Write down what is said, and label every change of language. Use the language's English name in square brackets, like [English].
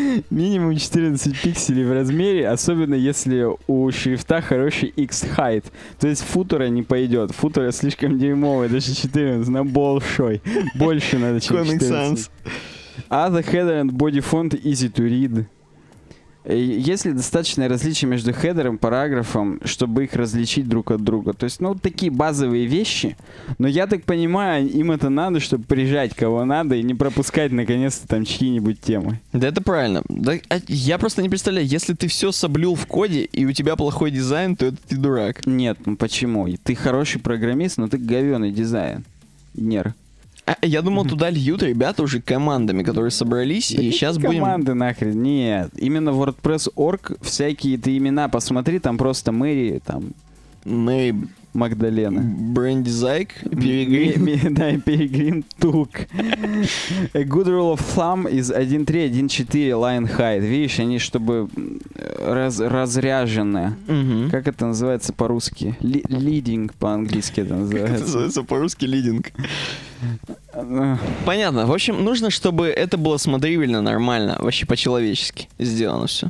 [Russian] Минимум 14 пикселей в размере, особенно если у шрифта хороший X-height. То есть футера не пойдет. Футера слишком дерьмовый, даже 14, но большой. Больше надо, чем 14. [English] Comic Sans. Other header and body font easy to read. [Russian] Есть ли достаточное различие между хедером и параграфом, чтобы их различить друг от друга? То есть, ну, такие базовые вещи. Но я так понимаю, им это надо, чтобы прижать кого надо и не пропускать, наконец-то, там, чьи-нибудь темы. Да это правильно. Да, я просто не представляю, если ты все соблюл в коде, и у тебя плохой дизайн, то это ты дурак. Нет, ну почему? Ты хороший программист, но ты говёный дизайнер. Я думал, туда льют ребята уже командами, которые собрались, да и сейчас команды, будем... Команды нахрен, нет. Именно WordPress.org, всякие ты имена посмотри, там просто Мэри, там... Мэри... Магдалена. Бренди Зайк, Перегрим. Да, Перегрим Тук. [English] A good rule of thumb is 1.3.1.4 line height. [Russian] Видишь, они чтобы разряжены. Как это называется по-русски? Лидинг по-английски это называется. Как это называется по-русски лидинг? Понятно. В общем, нужно, чтобы это было смотрибельно, нормально, вообще по-человечески сделано все.